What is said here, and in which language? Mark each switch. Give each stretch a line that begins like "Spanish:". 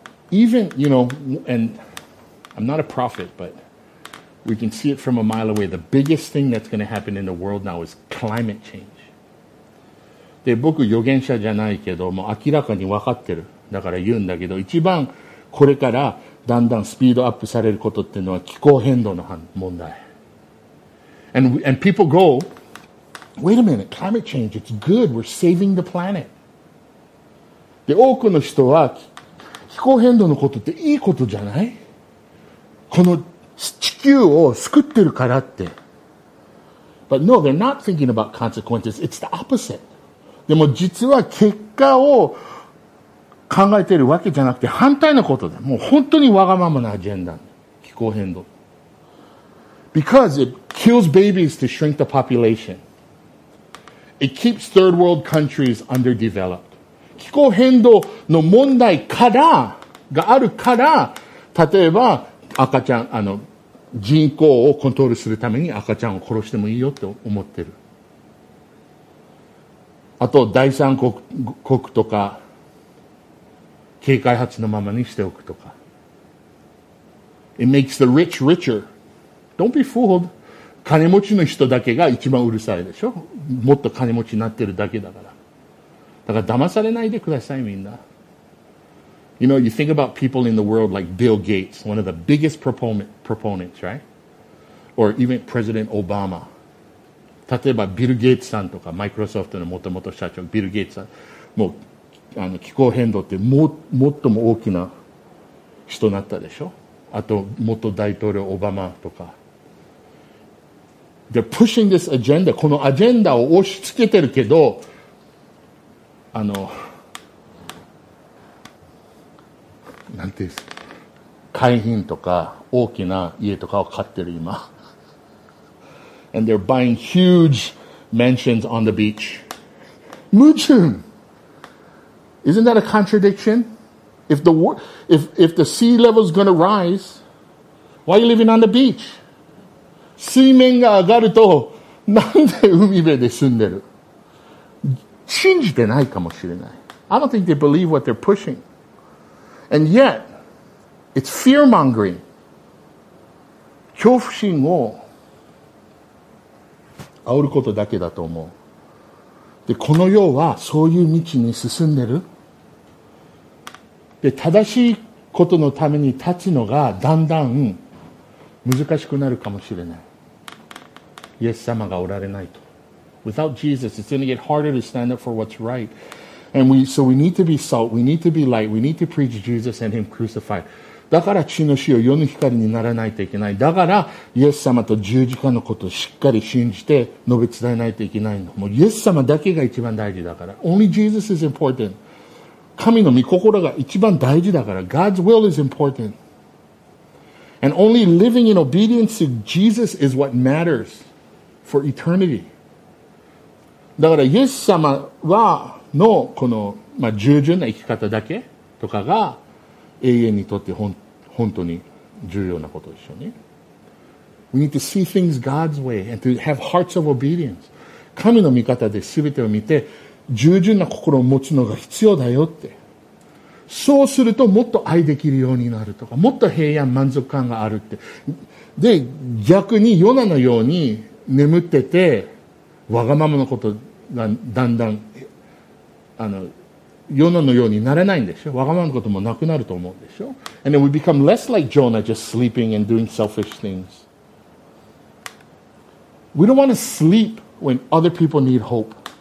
English: Even, you know, and I'm not a prophet, but we can see it from a mile away. The biggest thing that's going to happen in the world now is climate change.
Japanese: で、僕予言者じゃないけど、もう明らかに分かってる。だから言うんだけど、一番これからだんだんスピードアップされることっていうのは気候変動の問題。
English: And people go, wait a minute, climate change, it's good, we're saving the planet.
Japanese: で、多くの人は、気候変動のことっていいことじゃない？この地球を救ってるからって。
English: But no, they're not thinking about consequences. It's the opposite.
Japanese: でも実は結果を考えてるわけじゃなくて反対のことだ。もう本当にわがままなアジェンダ。気候変動。
English: Because it kills babies to shrink the population. It keeps third world countries underdeveloped.
Japanese: 気候変動の問題からがあるから、例えば赤ちゃん、人口をコントロールするために赤ちゃんを殺してもいいよって思ってる。あと第三 国とか計開発のままにしておくとか。
English: It makes the rich richer. Don't be fooled.
Japanese: 金持ちの人だけが一番うるさいでしょ。もっと金持ちになってるだけだから。だから騙されないでください、みんな。
English: You know, you think about people in the world like Bill Gates, one of the biggest proponents, right? Or even President Obama.
Japanese: 例えばビル・ゲイツさんとか、マイクロソフトの元々社長ビル・ゲイツさん、もう気候変動って最も大きな人になったでしょ。あと元大統領オバマとか。
English: They're pushing this agenda.
Japanese: このアジェンダを押し付けてるけど、なんていうんですか、海浜とか大きな家とかを買ってる今。
English: And they're buying huge mansions on the beach.
Japanese: 矛盾。
English: Isn't that a contradiction? If the sea level is going to rise, why are you living on the beach?
Japanese: 水面が上がるとなんで海辺で住んでる？信じてないかもしれない。
English: I don't think they believe what they're pushing. And yet, it's fear-mongering.
Japanese: 恐怖心を煽ることだけだと思う。で、この世はそういう道に進んでる。で、正しいことのために立つのがだんだん難しくなるかもしれない。イエス様がおられないと。
English: Without Jesus, it's going to get harder to stand up for what's right. And we need to be salt, we need to be light, we need to preach Jesus and Him crucified.
Japanese: だから血の塩、世の光にならないといけない。だから、イエス様と十字架のことをしっかり信じて述べ伝えないといけないの。もうイエス様だけが一番大事だから。
English: Only Jesus is important.
Japanese: 神の御心が一番大事だから。
English: God's will is important. And only living in obedience to Jesus is what matters for eternity.
Japanese: だから、イエス様はのこの、まあ、従順な生き方だけとかが永遠にとって本当に重要なことでしょうね。
English: We need to see things God's way and to have hearts of obedience.
Japanese: 神の御方で全てを見て、従順な心を持つのが必要だよって。そうするともっと愛できるようになるとか、もっと平安満足感があるって。で、逆にヨナのように眠ってて、わがままのことがだんだん、ヨナのようにならないんでしょ。わがままのこともなくなると思うんでしょ。
English: And then we become less like Jonah, just sleeping and doing selfish things. We don't want to sleep when other people need hope.